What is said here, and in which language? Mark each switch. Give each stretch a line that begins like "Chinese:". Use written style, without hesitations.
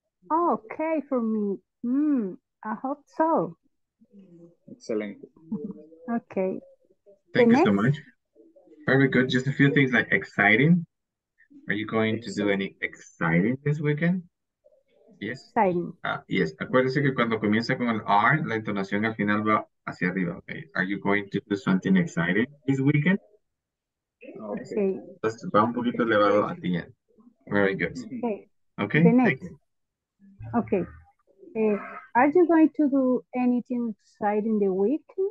English: Oh, okay, for me. I hope so. Excellent. Okay. Thank you so much. Very good. Just a few things like exciting. Are you going to do any exciting this weekend? Yes. Exciting. Yes.
Spanish: Acuérdense que cuando comienza con el R, la entonación al final va hacia arriba.
English: Okay. Are you going to do something exciting this weekend? Okay.
Spanish: Entonces va un poquito elevado a ti.
English: Very good. Okay. Okay. Thank you. Okay. Are you going to do anything exciting the week?